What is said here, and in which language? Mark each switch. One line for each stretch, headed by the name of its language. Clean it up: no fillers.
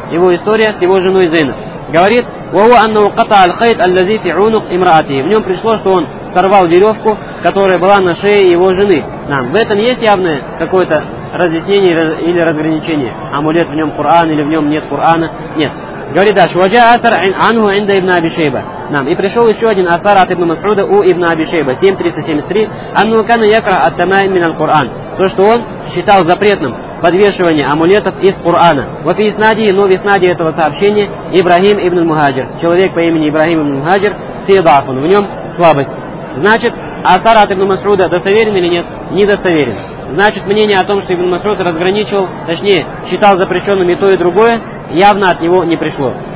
Russian: Его история с его женой Зейнаб. Говорит,
Arabic: وهو أنه قطع الخيط الذي في عنق امرأته.
Russian: В нем пришло, что он сорвал веревку, которая была на шее его жены. Нам в этом есть явное какое-то разъяснение или разграничение. Амулет в нем Куран или в нем нет Курана? Нет. Говорит дальше,
Arabic: وجاء أثر عنه عند ابن أبي شيبة.
Russian: Нам и пришел еще один асар от ибн Масуда у ибн Аби Шейба 7373.
Arabic: أنه كان يكره التمائم من القرآن.
Russian: То, что он считал запретным подвешивание амулетов из Курана. Вот иснадии, но в иснадии этого сообщения Ибрагим ибн Мухаджир. Человек по имени Ибрагим ибн Мухаджир, фидафун, в нем слабость. Значит, асар от ибн Масуда достоверен или нет? Недостоверен. Значит, мнение о том, что ибн Масуд разграничивал, точнее, считал запрещенным и то, и другое, явно от него не пришло.